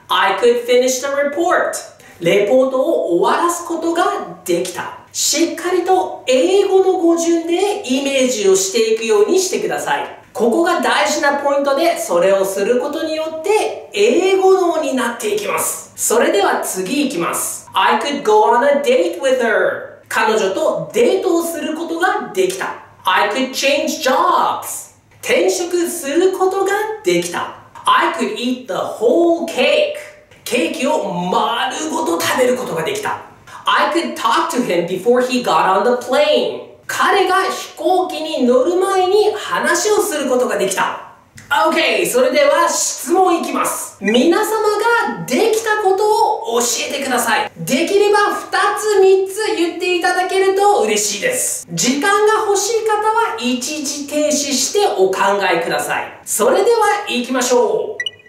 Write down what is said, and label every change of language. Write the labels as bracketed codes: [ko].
[en] I could finish the report、 [ja] レポートを終わらすことができた。しっかりと英語の語順でイメージをしていくようにしてください。ここが大事なポイントで、それをすることによって英語脳になっていきます。それでは次いきます。 [en] I could go on a date with her、 [ja] 彼女とデートをすることができた。 [en] I could change jobs、 [ja] 転職することができた。 [en] I could eat the whole cake、 [ja] ケーキを丸ごと食べることができた。 [en] I could talk to him before he got on the plane、 [ja] 彼が飛行機に乗る前に話をすることができた。 OK、 それでは質問いきます。皆様ができたことを教えてください。できれば2つ3つ言っていただけると嬉しいです。時間が欲しい方は一時停止してお考えください。それでは行きましょう。